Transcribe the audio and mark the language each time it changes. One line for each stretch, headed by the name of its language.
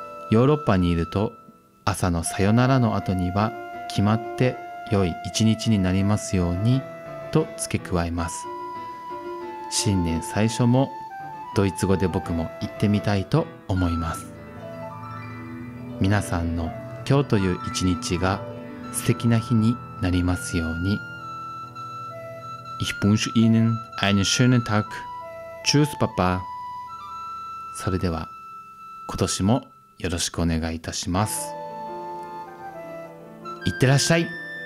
Japanese: ヨーロッパにいると朝のさよならの後には決まって良い一日になりますようにと付け加えます。新年最初もドイツ語で僕も言ってみたいと思います。皆さんの今日という一日が素敵な日になりますように。
German: Ich wünsche Ihnen einen schönen Tag. Tschüss, Papa.
Japanese: それでは、今年もよろしくお願いいたします。いってらっしゃい。